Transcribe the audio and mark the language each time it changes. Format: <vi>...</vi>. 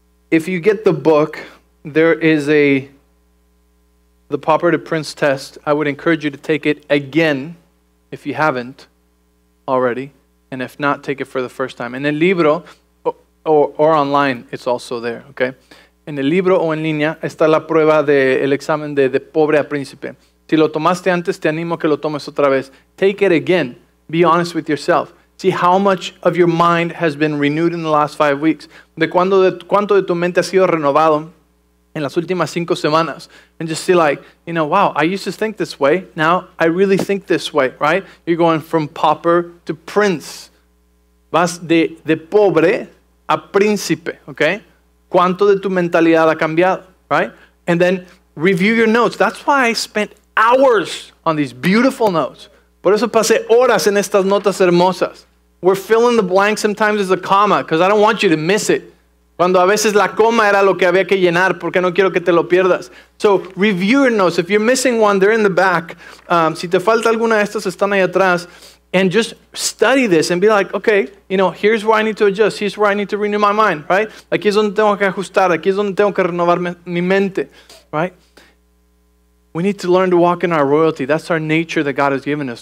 <en>If you get the book, there is the Pauper to Prince test. I would encourage you to take it again, if you haven't already. And if not, take it for the first time.</en> <es>En el libro,</es> <en>or online, it's also there, okay?</en> <es>En el libro o en línea, está la prueba del examen de pobre a príncipe. Si lo tomaste antes, te animo a que lo tomes otra vez.</es> <en>Take it again. Be honest with yourself. See how much of your mind has been renewed in the last 5 weeks.</en> <es>¿Cuánto de tu mente ha sido renovado en las últimas 5 semanas?</es> <en>And just see like, you know, wow, I used to think this way. Now I really think this way, right? You're going from pauper to prince.</en> <es>Vas de pobre a príncipe, okay? ¿Cuánto de tu mentalidad ha cambiado, right?</es> <en>And then review your notes. That's why I spent hours on these beautiful notes.</en> <es>Por eso pasé horas en estas notas hermosas.</es> <en>We're filling the blank sometimes as a comma because I don't want you to miss it.</en> <es>Cuando a veces la coma era lo que había que llenar porque no quiero que te lo pierdas.</es> <en>So, review your notes. If you're missing one, they're in the back.</en> <es>Si te falta alguna de estas, están ahí atrás.</es> <en>And just study this and be like, okay, you know, here's where I need to adjust. Here's where I need to renew my mind, right?</en> <es>Aquí es donde tengo que ajustar. Aquí es donde tengo que renovar mi mente, right?</es> <en>We need to learn to walk in our royalty. That's our nature that God has given us.</en>